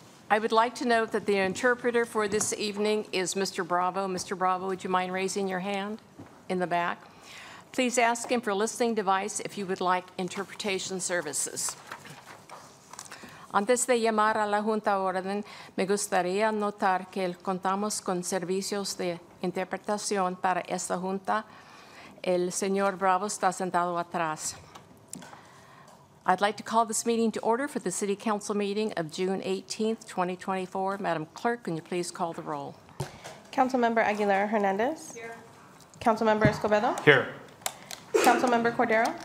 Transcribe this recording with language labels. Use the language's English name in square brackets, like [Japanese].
[English] I would like to note that the interpreter for this evening is Mr. Bravo. Mr. Bravo, would you mind raising your hand in the back? Please ask him for a listening device if you would like interpretation services. [Spanish] Antes de llamar a la Junta a orden, me gustaría notar que contamos con servicios de interpretación para esta Junta. El señor Bravo está sentado atrás. [English] I'd like to call this meeting to order for the City Council meeting of June 18th, 2024. Madam Clerk, can you please call the roll? Councilmember Aguilera Hernandez. Here. Councilmember Escobedo. Here. Councilmember Cordero.